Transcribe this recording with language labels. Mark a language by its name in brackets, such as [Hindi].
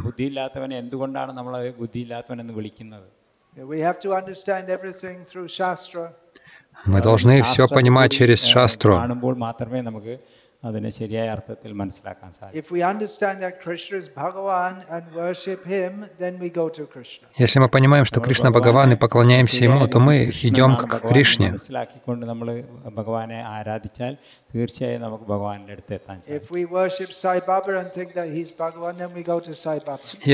[Malayalam] Буддилатвана എന്തുകൊണ്ടാണ് നമ്മൾ അവനെ ബുദ്ധിയില്ലാത്തവൻ എന്ന് വിളിക്കുന്നത്? [English] We have to understand everything through shastra. [Russian] Мы должны всё понимать через шастру. [Malayalam] കാണുമ്പോൾ മാത്രമേ നമുക്ക് അതിനെ ശരിയായ അർത്ഥത്തിൽ മനസ്സിലാക്കാൻ സാധിക്കും. [English] If we understand that Krishna is Bhagavan and worship him, then we go to Krishna. [Russian] Если мы понимаем, что Кришна Бхагаван и поклоняемся ему, то мы идём к Кришне. [Malayalam] മനസ്സിലാക്കിക്കൊണ്ട് നമ്മൾ ഭഗവാനെ ആരാധിച്ചാൽ തീർച്ചയായും നമുക്ക് ഭഗവാന്റെ അടുത്ത് എത്താൻ സാധിക്കും. [English] If we worship Sai Baba and think that he's Bhagavan, then we go to Sai Baba.